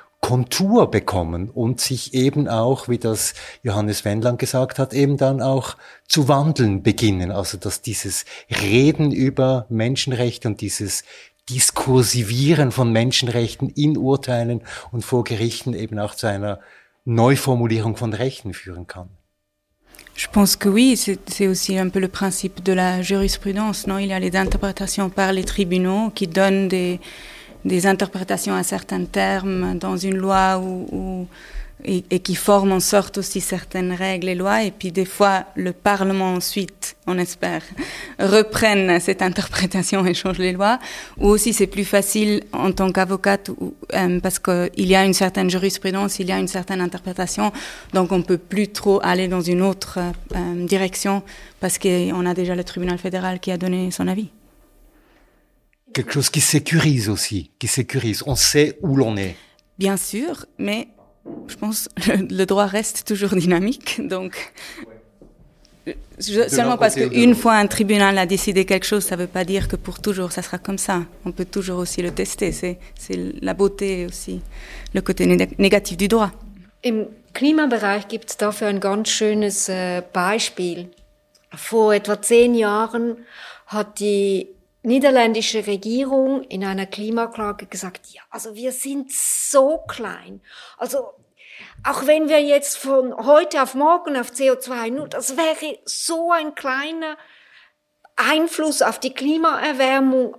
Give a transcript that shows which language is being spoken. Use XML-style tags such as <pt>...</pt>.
<de>Kontur bekommen und sich eben auch, wie das Johannes Wendland gesagt hat, eben dann auch zu wandeln beginnen. Also dass dieses Reden über Menschenrechte und dieses Diskursivieren von Menschenrechten in Urteilen und vor Gerichten eben auch zu einer Neuformulierung von Rechten führen kann.</de> <fr>Je pense que oui, c'est aussi un peu le principe de la jurisprudence, non? Il y a les interprétations par les tribunaux qui donnent des interprétations à certains termes dans une loi et qui forment en sorte aussi certaines règles et lois. Et puis des fois, le Parlement ensuite, on espère, reprenne cette interprétation et change les lois. Ou aussi, c'est plus facile en tant qu'avocate parce qu'il y a une certaine jurisprudence, il y a une certaine interprétation. Donc on ne peut plus trop aller dans une autre direction parce qu'on a déjà le tribunal fédéral qui a donné son avis. Quelque chose qui sécurise aussi, qui sécurise. On sait où l'on est. Bien sûr, mais je pense que le droit reste toujours dynamique. Donc, seulement parce qu'une fois un tribunal a décidé quelque chose, ça ne veut pas dire que pour toujours ça sera comme ça. On peut toujours aussi le tester. C'est la beauté aussi, le côté négatif du droit.</fr> <de>Im Klimabereich gibt es dafür ein ganz schönes Beispiel. Vor etwa 10 Jahren hat die niederländische Regierung in einer Klimaklage gesagt, ja, also wir sind so klein. Also auch wenn wir jetzt von heute auf morgen auf CO2 nur, das wäre so ein kleiner Einfluss auf die Klimaerwärmung.</de>